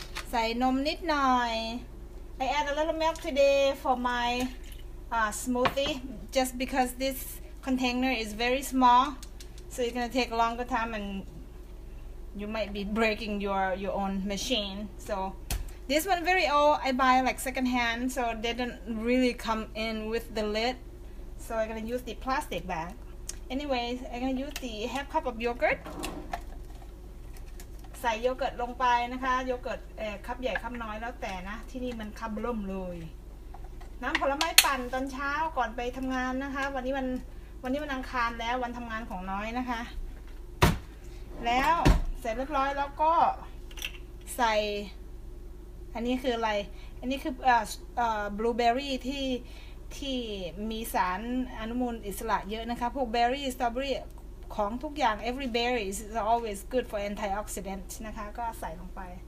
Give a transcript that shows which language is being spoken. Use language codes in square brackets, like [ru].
[th] ใส่นมนิดหน่อย [en] I add a little milk today for my smoothie just because this container is very small so it's gonna take longer time andYou might be breaking your own machine. So this one very old. I buy like second hand, so they don't really come in with the lid. So I'm gonna use the plastic bag. Anyways, I'm gonna use the half cup of yogurt. [th] ใส่โยเกิร์ตลงไปนะคะโยเกิร์ตคัพใหญ่คัพน้อยแล้วแต่นะที่นี่มันคัพล่มเลยน้ำผลไม้ปั่นตอนเช้าก่อนไปทำงานนะคะวันนี้มันอังคารแล้ววันทำงานของน้อยนะคะ แล้วเสร็จเรียบร้อยแล้วก็ใส่อันนี้คืออะไรอันนี้คือบลูเบอร์รี่ที่มีสารอนุมูลอิสระเยอะนะคะพวกเบอร์รี่สตรอเบอร์รี่ของทุกอย่าง [en] every berry is always good for antioxidant [th] นะคะก็ใส่ลงไป